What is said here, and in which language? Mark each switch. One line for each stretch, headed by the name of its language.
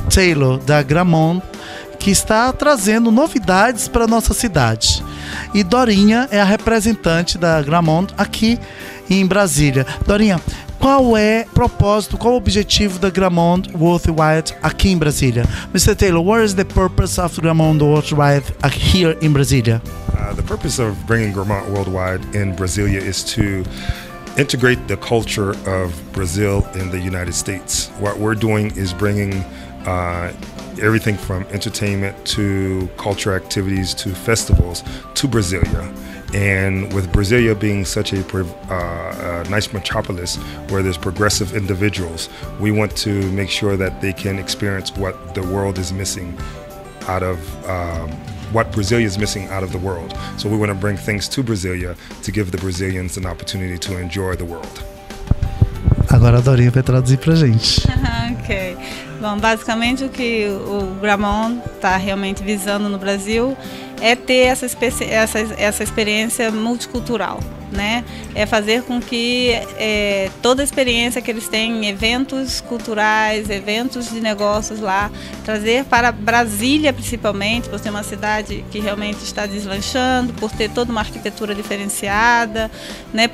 Portuguese: Taylor da Gramont, que está trazendo novidades para a nossa cidade. E Dorinha é a representante da Gramont aqui em Brasília. Dorinha, qual é o propósito, qual o objetivo da Gramont Worldwide aqui em Brasília?
English: Mr. Taylor, what is the purpose of Gramont Worldwide here in Brasília? The purpose of bringing Gramont Worldwide in Brasília is to integrate the culture of Brazil in the United States. What we're doing is bringing everything from entertainment to culture activities to festivals to Brasília. And with Brasília being such a nice metropolis where there's progressive individuals, we want to make sure that they can experience what the world is missing out of what Brasília is missing out of the world. So we want to bring things to Brasília to give the Brazilians an opportunity to enjoy the world.
Portuguese: Agora a Dorinha vai traduzir pra gente. Ok. Bom, basicamente o que o Gramont está realmente visando no Brasil é ter essa experiência multicultural, né? É fazer com que toda a experiência que eles têm em eventos culturais, eventos de negócios lá, trazer para Brasília principalmente, por ser uma cidade que realmente está deslanchando, por ter toda uma arquitetura diferenciada, né?